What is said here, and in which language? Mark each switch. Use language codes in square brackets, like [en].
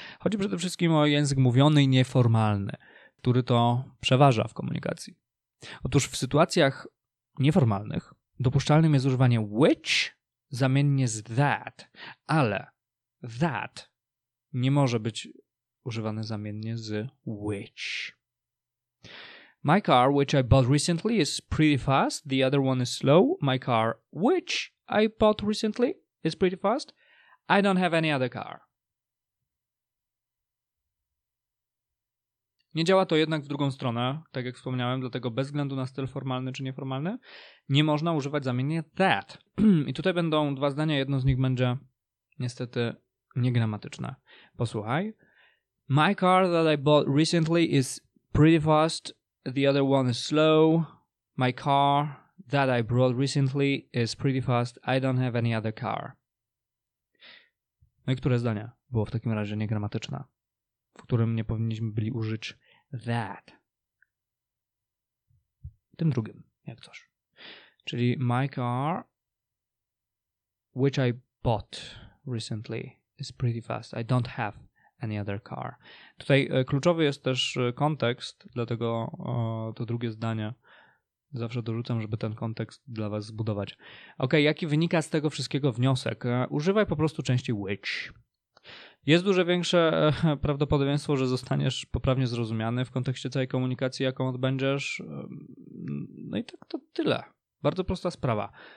[pl] Chodzi przede wszystkim o język mówiony i nieformalny, który to przeważa w komunikacji. Otóż w sytuacjach nieformalnych dopuszczalnym jest używanie which zamiennie z that, ale that nie może być używane zamiennie z which. [en] My car, which I bought recently, is pretty fast. The other one is slow. My car, which I bought recently, is pretty fast. I don't have any other car. [pl] Nie działa to jednak w drugą stronę, tak jak wspomniałem, dlatego bez względu na styl formalny czy nieformalny, nie można używać zamiennie that. I tutaj będą dwa zdania, jedno z nich będzie niestety niegramatyczne. Posłuchaj. [en] My car that I bought recently is pretty fast. The other one is slow. My car that I bought recently is pretty fast. I don't have any other car. [pl] No i które zdanie było w takim razie niegramatyczne, w którym nie powinniśmy byli użyć that? Tym drugim, jak coś. Czyli [en] my car, which I bought recently, is pretty fast. I don't have any other car. [pl] Tutaj kluczowy jest też kontekst, dlatego to drugie zdanie zawsze dorzucam, żeby ten kontekst dla was zbudować. Okej, jaki wynika z tego wszystkiego wniosek? Używaj po prostu części which. jest dużo większe prawdopodobieństwo, że zostaniesz poprawnie zrozumiany w kontekście całej komunikacji, jaką odbędziesz. No i tak to tyle. Bardzo prosta sprawa.